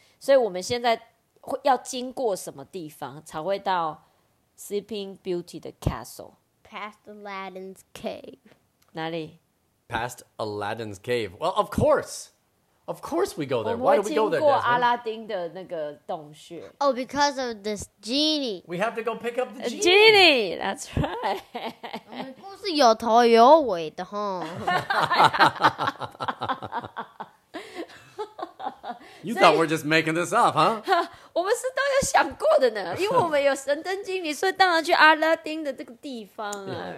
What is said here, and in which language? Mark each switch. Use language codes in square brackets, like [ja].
[zh] 所以我们现在会要经过什么地方才会到 Sleeping Beauty 的 castle? [en] Past Aladdin's cave. [zh] 哪里？ [en] Past Aladdin's cave. Well, of course. Of course we go there. Why do we go there, [zh] Desmond? 阿拉丁的那个洞穴。 [en] Oh, because of this genie. We have to go pick up the genie. Genie, that's right. [zh] 我们故事有头有尾的齁。 [en] You thought we're just making this up, huh? [zh] 我们是都有想过的呢，因为我们有神灯精灵，所以当然去阿拉丁的这个地方啊。